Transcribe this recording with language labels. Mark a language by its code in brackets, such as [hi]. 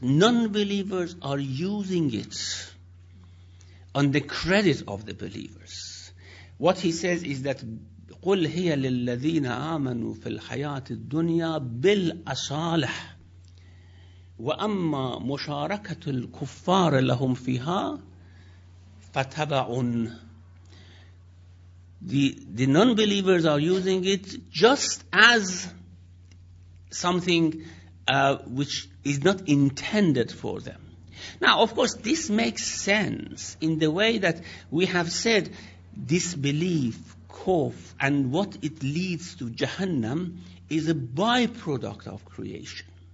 [en] Non-believers are using it on the credit of the believers. What he says is that [ar] قُلْ هِيَ لِلَّذِينَ آمَنُوا فِي الْحَيَاةِ الدُّنْيَا بِالْأَصَالِحِ وَأَمَّا مُشَارَكَةُ الْكُفَّارِ لَهُمْ فِيهَا فَتَبَعٌ. [en] The non-believers are using it just as something which is not intended for them. Now, of course, this makes sense in the way that we have said disbelief, kuf, and what it leads to, Jahannam, is a byproduct of creation.